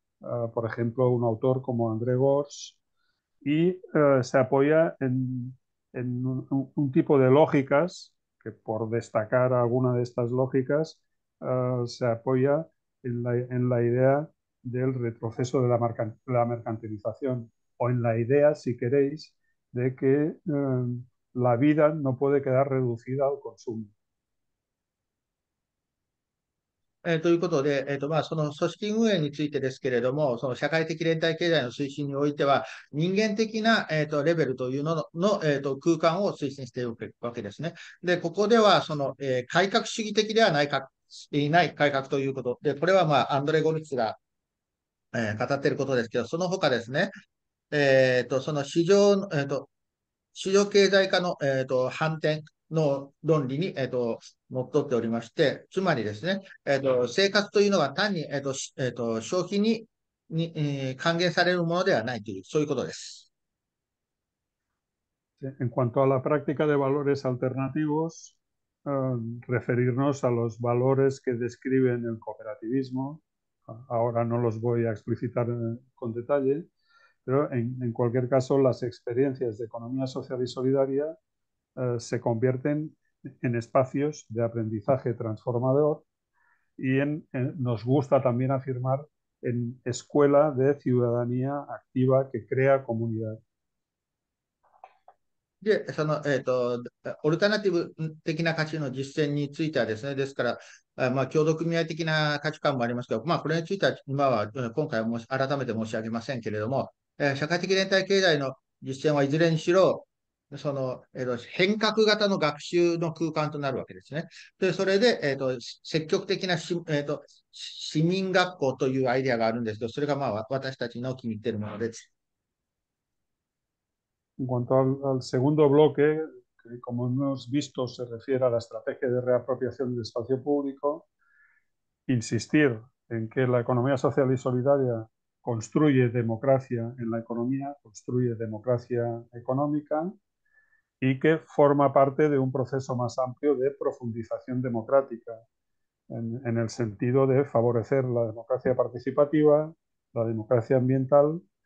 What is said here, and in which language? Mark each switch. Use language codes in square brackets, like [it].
[es] Por ejemplo, un autor como André Gorz, y se apoya en un tipo de lógicas, que por destacar alguna de estas lógicas, se apoya en la idea del retroceso de la mercantilización, o en la idea, si queréis, de que la vida no puede quedar reducida al consumo. [ja] ということで、まあ、その組織運営についてですけれども、その社会的連帯経済の推進においては、人間的な、レベルというのの、空間を推進しているわけですね。で、ここでは、その、改革主義的ではないか、いない改革ということ。で、これは、まあ、アンドレ・ゴルツが、語っていることですけど、その他ですね、その市場、市場経済化の、反転、の論理に、のっとっておりまして、つまりですね、生活というのは単に、消費に、還元されるものではないという、そういうことです。 [es] En cuanto a la práctica de valores alternativos, referirnos a los valores que describen el cooperativismo, ahora no los voy a explicitar con detalle, pero en cualquier caso, las experiencias de economía social y solidaria se convierten en espacios de aprendizaje transformador y nos gusta también afirmar en escuela de ciudadanía activa que crea comunidad. [ja] で、その、オルタナティブ的な価値の実践についてはですね、ですから、まあ、協同組合的な価値観もありますけど、まあ、これについては、今は、今回は改めて申し上げませんけれども、社会的連帯経済の実践はいずれにしろ、その、変革型の学習の空間となるわけですね。で、それで、積極的な市民学校というアイデアがあるんですけど、それが、まあ、私たちの気に入っているものです。 [es] En cuanto al segundo bloque, que como hemos visto se refiere a la estrategia de reapropiación del espacio público, insistir en que la economía social y solidaria construye democracia en la economía, construye democracia económica y que forma parte de un proceso más amplio de profundización democrática, en el sentido de favorecer la democracia participativa, la democracia ambiental.